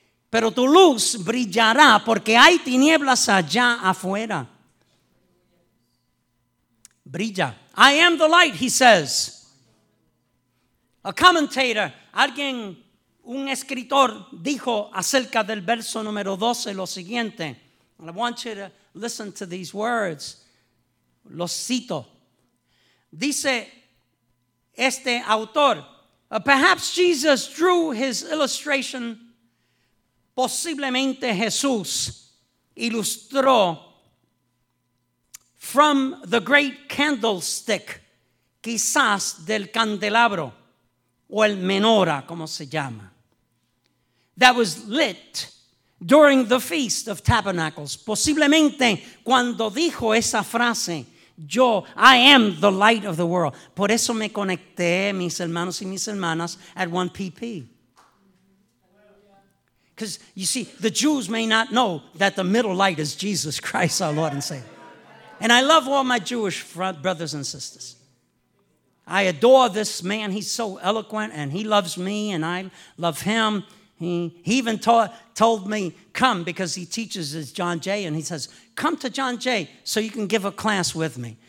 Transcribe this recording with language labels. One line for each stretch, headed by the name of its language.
Spanish: Pero tu luz brillará porque hay tinieblas allá afuera. Brilla.
English: I am the light, he says. A commentator,
Spanish: alguien, un escritor, dijo acerca del verso número 12 lo siguiente.
English: And I want you to listen to these words.
Spanish: Los cito. Dice este autor,
English: perhaps Jesus drew his illustration.
Spanish: Posiblemente Jesús ilustró
English: from the great candlestick,
Spanish: quizás del candelabro, o el menorah, como se llama,
English: that was lit during the Feast of Tabernacles.
Spanish: Posiblemente cuando dijo esa frase, yo,
English: I am the light of the world.
Spanish: Por eso me conecté, mis hermanos y mis hermanas,
English: at 1 PP. Because you see, the Jews may not know that the middle light is Jesus Christ, our Lord and Savior. And I love all my Jewish brothers and sisters. I adore this man. He's so eloquent, and he loves me, and I love him. He even told me, come, because he teaches as John Jay, and he says, come to John Jay so you can give a class with me.